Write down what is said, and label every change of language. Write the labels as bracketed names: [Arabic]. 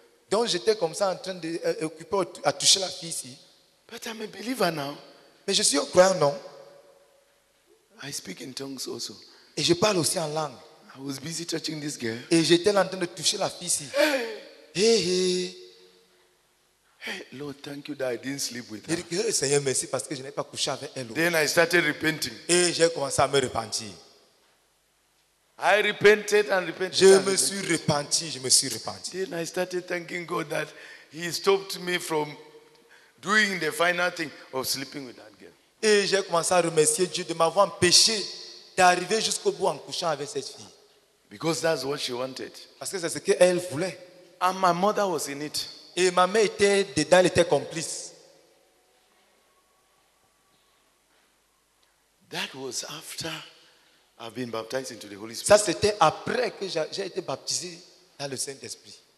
[French] Donc j'étais comme ça en train de occuper à toucher la fille ici. [English] But I'm a believer now. [French] Mais je suis un croyant, non? [English] I speak in tongues also. [French] Et je parle aussi en langue. [English] I was busy touching this girl. [French] Et j'étais en train de toucher la fille ici. Hey. Hey, hey. [English] Hey, Lord, thank you that I didn't sleep with her. [French] Et Seigneur, merci parce que je n'ai pas couché avec elle. [English] Then I started repenting. [French] Et j'ai commencé à me repentir. [English] I repented and repented. [French] Je [English] and [French] me [English] repented. [French] Suis repenti, je me suis repenti. [English] Then I started thanking God that He stopped me from doing the final thing of sleeping with that girl. [French] Et j'ai commencé à remercier Dieu de m'avoir empêché d'arriver jusqu'au bout en couchant avec cette fille. [English] Because that's what she wanted. [French] Parce que c'est ce qu'elle voulait. [English] And my mother was in it. [French] Et ma mère était dedans, elle était complice. [English] That was after I've been baptized into the Holy Spirit. [French] Ça c'était après que j'ai été baptisé dans le Saint-Esprit.